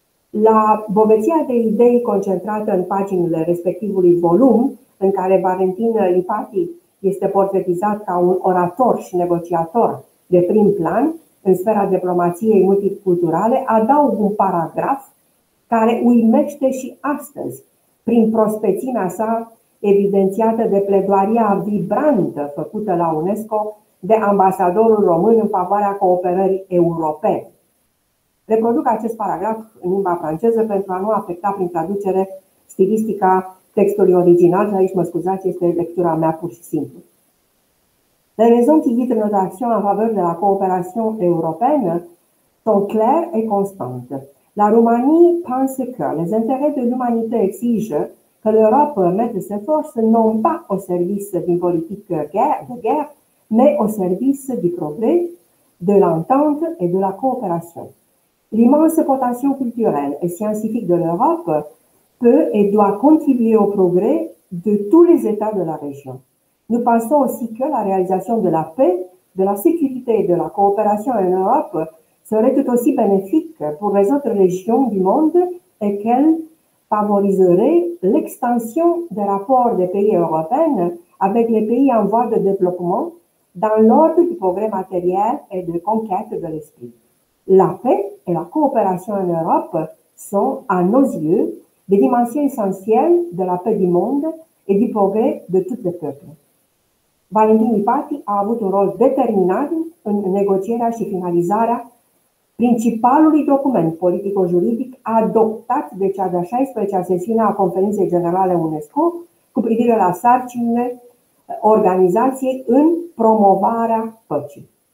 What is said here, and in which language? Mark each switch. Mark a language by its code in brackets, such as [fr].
[ro] La bogăția de idei concentrată în paginile respectivului volum, în care Valentin Lipati este portretizat ca un orator și negociator de prim plan în sfera diplomației multiculturale, adaug un paragraf care uimește și astăzi prin prospețimea sa evidențiată de pledoaria vibrantă făcută la UNESCO de ambasadorul român în favoarea cooperării europene. Reproduc acest paragraf în limba franceză pentru a nu afecta prin traducere stilistica textului original, aici mă scuzați, este lectura mea pur și simplu. [fr] Le raisons qui guident notre action en faveur de la coopération européenne sont claires et constantes. La Roumanie, pense que les intérêts de l'humanité exigent que l'Europe mette ses forces non pas au service d'une politique de guerre, mais au service du progrès, de l'entente et de la coopération. L'immense potentiel culturel et scientifique de l'Europe peut et doit contribuer au progrès de tous les États de la région. Nous pensons aussi que la réalisation de la paix, de la sécurité et de la coopération en Europe serait tout aussi bénéfique pour les autres régions du monde et qu'elle favoriserait l'extension des rapports des pays européens avec les pays en voie de développement dans l'ordre du progrès matériel et de conquête de l'esprit. La paix et la coopération en Europe sont, à nos yeux, des dimensions essentielles de la paix du monde et du progrès de tous les peuples. [ro] Valentin Ipati a avut un rol determinat în negocierea și finalizarea principalului document politico-juridic adoptat de cea de-a 16-a sesiune a Conferinței Generale UNESCO cu privire la sarcinile organizației în promovarea păcii.